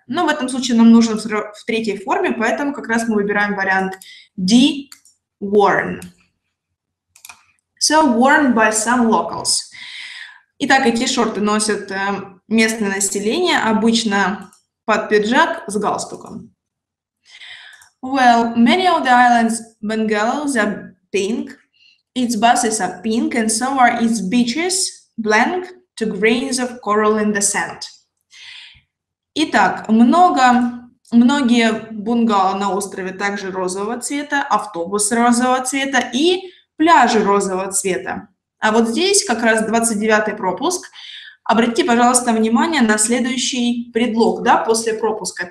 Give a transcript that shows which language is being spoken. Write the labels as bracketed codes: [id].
[ru] Но в этом случае нам нужен в третьей форме, поэтому как раз мы выбираем вариант D – worn. [en] So worn by some locals. [ru] Итак, эти шорты носят местное население, обычно под пиджак с галстуком. [en] Well, many of the islands' bungalows are pink, its buses are pink, and so are its beaches, blank to grains of coral in the sand. [ru] Итак, многие бунгало на острове также розового цвета, автобус розового цвета и пляжи розового цвета. А вот здесь как раз 29-й пропуск. Обратите, пожалуйста, внимание на следующий предлог, да, после пропуска.